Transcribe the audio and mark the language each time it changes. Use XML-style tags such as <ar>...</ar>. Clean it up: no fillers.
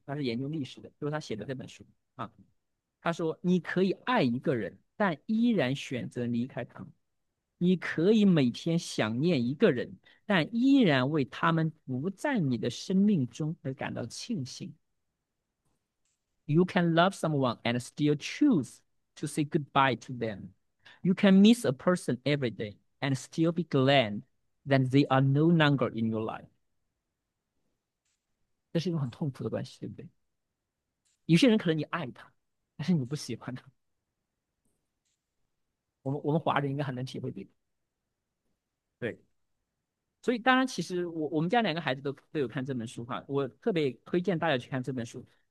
<zh>他是研究历史的，就是他写的这本书啊。他说："你可以爱一个人，但依然选择离开他。" 你可以每天想念一个人，但依然为他们不在你的生命中而感到庆幸。</zh> <en>You can love someone and still choose to say goodbye to them. You can miss a person every day and still be glad that they are no longer in your life.</en> <zh>这是一个很痛苦的关系，对不对？有些人可能你爱他，但是你不喜欢他。我们华人应该很能体会这个。对，所以当然，其实我们家两个孩子都有看这本书哈，我特别推荐大家去看这本书。</zh>